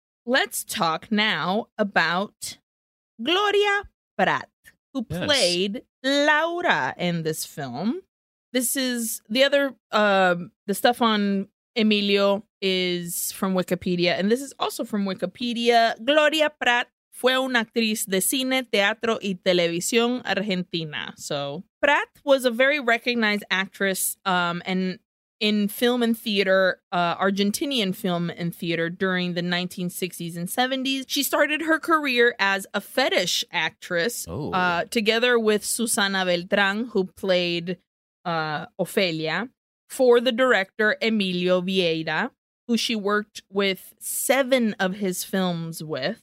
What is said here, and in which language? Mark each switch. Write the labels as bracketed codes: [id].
[en] Let's talk now about Gloria Pratt, who played Laura in this film. This is the other, the stuff on Emilio is from Wikipedia, and this is also from Wikipedia. [es] Gloria Pratt fue una actriz de cine, teatro y televisión argentina. [en] So Pratt was a very recognized actress and in film and theater, Argentinian film and theater during the 1960s and 70s. She started her career as a fetish actress together with Susana Beltrán, who played Ophelia, for the director Emilio Vieira, who she worked with 7 of his films with.